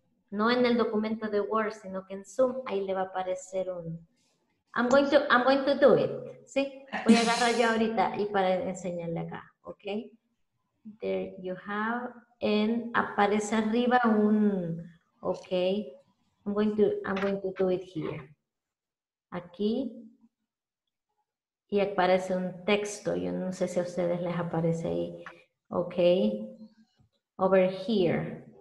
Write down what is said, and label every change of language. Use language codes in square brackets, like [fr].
[es] No en el documento de Word, sino que en Zoom, ahí le va a aparecer un... [en] I'm going to do it, [es] ¿sí? Voy a agarrar yo ahorita y para enseñarle acá, ¿ok? [en] There you have, and [es] aparece arriba un, [en] ok, I'm going to do it here. [es] Aquí, y aparece un texto, yo no sé si a ustedes les aparece ahí, ok, [en] over here.